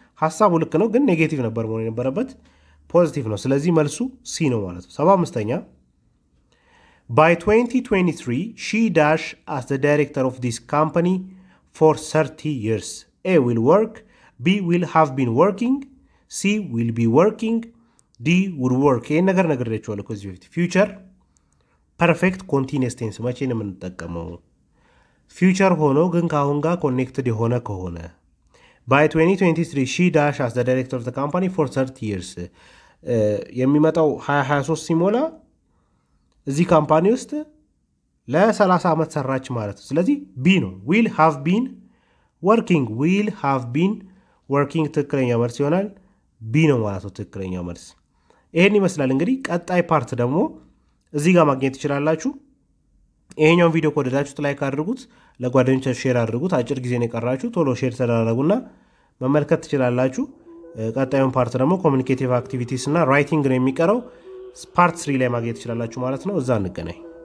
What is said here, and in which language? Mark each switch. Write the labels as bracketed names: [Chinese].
[Amharic] ሐሳቡ ልክ ነው ግን ኔጌቲቭ ነበር መሆን የነበረበት ፖዚቲቭ ነው ስለዚህ መልሱ ሲ ነው ማለት ነው [English] 75ኛ by 2023 she dash as the director of this company for 30 years a will work b will have been working c will be working d would work [Amharic] ይሄን ነገር ነግሬያችኋል እኮ እዚህ በፊት future [English] perfect continuous tense [Amharic] ማለት ነው የምንጠቀመው future ሆኖ ግን ካሁን ጋር connected የሆነ ከሆነ [English] By 2023 she dash as the director of the company for 30 years. [Amharic] የሚመጣው 2023 ሲሞላ እዚህ ካምፓኒ ውስጥ ለ30 አመት ሰራች ማለት ነው። ስለዚህ B ነው. [English] Will have been working. Will have been working [Amharic] ትክክለኛ መልስ ይሆናል. B ነው ማለት ነው ትክክለኛ መልስ. ይሄን ይመስላል እንግዲህ ቀጣይ ፓርት ደግሞ እዚህ ጋር ማግኘት ትችላላችሁ. ይሄኛው ቪዲዮ ኮድላችሁት ላይክ አድርጉት. ለጓደኞቻችሁ ሼር አድርጉት አጭር ጊዜ ነው ቀራችሁ ቶሎ ሼር ተደረጉና መመልከት ትችላላችሁ ቀጣዩን ፓርት ደግሞ ኮሙኒኬቲቭ አክቲቪቲስ እና ራይቲንግ ነው የሚቀረው ፓርት 3 ላይ ማግኘት ትችላላችሁ ማለት ነው እዛ እንገናኝ